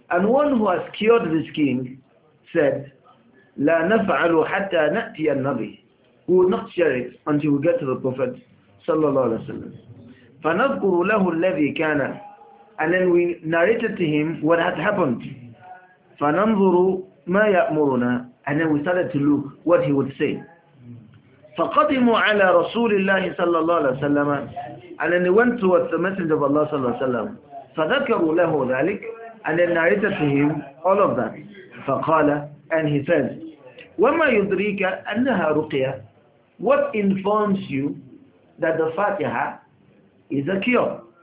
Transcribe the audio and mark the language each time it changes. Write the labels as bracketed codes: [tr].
[en] And one who has cured this king said, [ar] لا نفعل حتى نأتي النبي. [en] We will not share it until we get to the Prophet صلى الله عليه وسلم. [ar] فنذكر له الذي كان. [en] And then we narrated to him what had happened. [ar] فننظر ما يأمرنا. [en] And then we started to look what he would say. [ar] فقدموا على رسول الله صلى الله عليه وسلم. [en] And then they went towards the Messenger of Allah صلى الله عليه وسلم. [ar] فذكروا له ذلك. [en] And then narrated to him all of that. [ar] فقال, [en] and he said, [ar] وَمَا يُدْرِيكَ أَنَّهَا رُقِيَةٌ. [en] What informs you that the Fatiha is a cure?